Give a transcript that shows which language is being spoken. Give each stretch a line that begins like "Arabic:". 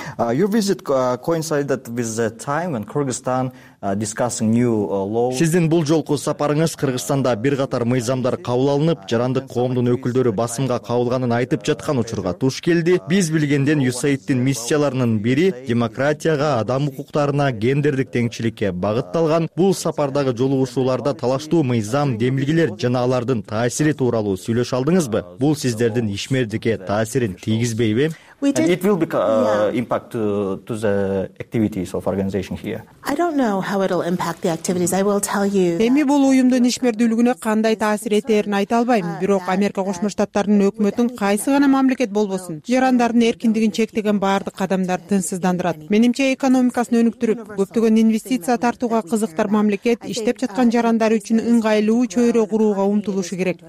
English: Your visit coincided with the time when Kyrgyzstan discussing new laws.
Kyrgyz: Сиздин бул жолку сапарыңыз Кыргызстанда бир катар мыйзамдар кабыл алынып, жарандык коомдун өкүлдөрү басымга кабылганын айтып жаткан учурга туш келди. Биз билгенден USAID'тин миссияларынын бири демократияга, адам укуктарына, гендердик теңчиликке багытталган. Бул сапардагы жолугушууларда талаштуу мыйзам, демилгелер жана алардын таасири тууралуу сүйлөшө алдыңызбы? Бул сиздердин ишмердикке таасирин тийгизбейби?
English: And it will be impact to the activities of organization here. I don't know how it'll impact the activities. I will tell you.
Kyrgyz: Эми бул уюмдун ишмердүүлүгүнө кандай таасир этерин айта албайм, бирок Америка Кошмо Штаттарынын өкмөтүн кайсы гана мамлекет болбосун, жарандардын эркиндигин чектеген баардык кадамдар тынчсыздандырат. Менимче экономикасын өнүктүрүп, көптөгөн инвестиция тартууга кызыктар мамлекет иштеп жаткан жарандар үчүн ыңгайлуу чөйрө курууга умтулушу керек.